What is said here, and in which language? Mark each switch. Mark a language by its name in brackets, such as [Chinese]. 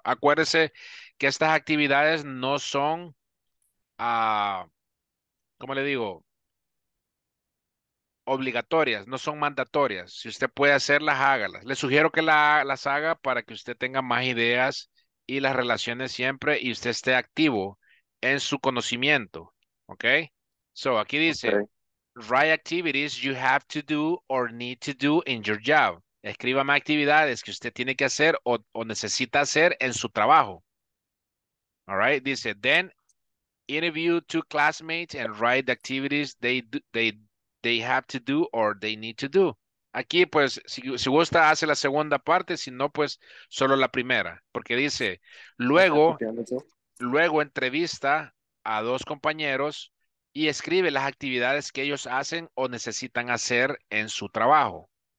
[Spanish] Acuérdese que estas actividades no son, ¿cómo le digo? Obligatorias, no son mandatorias. Si usted puede hacerlas, hágalas. Le sugiero que las haga para que usted tenga más ideas y las relaciones siempre y usted esté activo en su conocimiento, ¿ok? So, aquí dice, okay. [English] Write activities you have to do or need to do in your job. [Spanish] Escríbame actividades que usted tiene que hacer o necesita hacer en su trabajo. [English] All right? Dice, then interview two classmates and write the activities they have to do or they need to do. [Spanish] Aquí, pues, si gusta, hace la segunda parte. Si no, pues, solo la primera. Porque dice, luego entrevista a dos compañeros y escribe las actividades que ellos hacen o necesitan hacer en su trabajo.